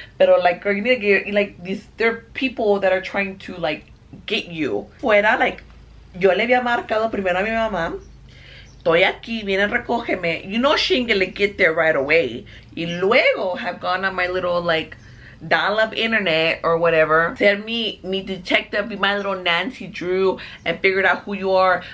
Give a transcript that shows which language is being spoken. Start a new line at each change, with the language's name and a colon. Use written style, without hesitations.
English: Pero, like, girl, you need to get, like, these, there are people that are trying to, like, get you.
Spanish: Fuera, like, yo le había marcado primero a mi mamá. Estoy aquí, viene, recógeme.
English: You know she ain't gonna get there right away.
Spanish: Y luego
English: have gone on my little, like, dial-up internet or whatever.
Spanish: Ser mi detective,
English: be my little Nancy Drew, and figured out who you are.